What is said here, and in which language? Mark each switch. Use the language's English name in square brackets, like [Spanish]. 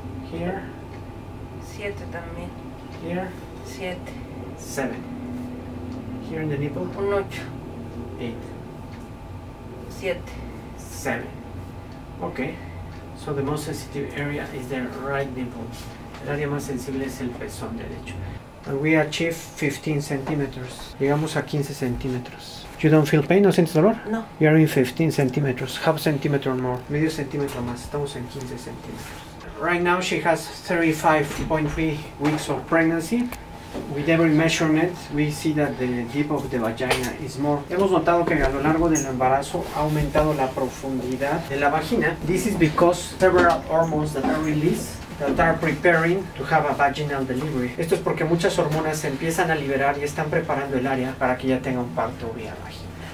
[English] Here. [Spanish] 7 también. [English] Here. 7. 7. Here in the nipple? 8. 8. 7. 7. Okay. So the most sensitive area is the right nipple. [Spanish] El área más sensible es el pezón derecho. [English] And we achieve 15 centimeters. [Spanish] Llegamos a 15 centimeters. [English] You don't feel pain? [Spanish] ¿No sientes dolor? No. [English] You are in 15 centimeters. Half centimeter more. [Spanish] Medio centímetro más. Estamos en 15 centimeters. [English] Right now she has 35.3 weeks of pregnancy. With every measurement, we see that the depth of the vagina is more. [Spanish] Hemos notado que a lo largo del embarazo ha aumentado la profundidad de la vagina. [English] This is because several hormones that are released that are preparing to have a vaginal delivery. [Spanish] Esto es porque muchas hormonas se empiezan a liberar y están preparando el área para que ya tenga un parto vía vagina.